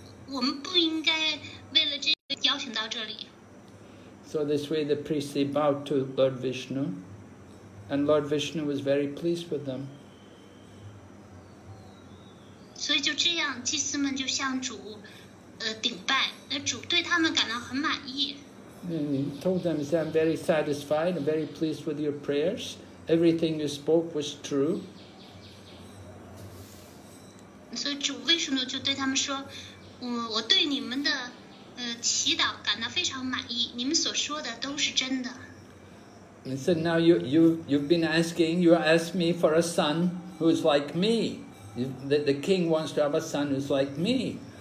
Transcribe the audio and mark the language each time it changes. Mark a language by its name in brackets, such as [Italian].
[Chinese] 我们不应该为了这个邀请到这里。 [English] So this way the priests bowed to Lord Vishnu, and Lord Vishnu was very pleased with them. [Chinese] 所以就这样，祭司们就向主，顶拜，那主对他们感到很满意。 [English] He told them, he said, I'm very satisfied, I'm very pleased with your prayers. Everything you spoke was true. [Chinese] 所以主为什么就对他们说，我对你们的祈祷感到非常满意，你们所说的都是真的。 [English] He said, now you've been asking, you asked me for a son who's like me. The king wants to have a son who's like me.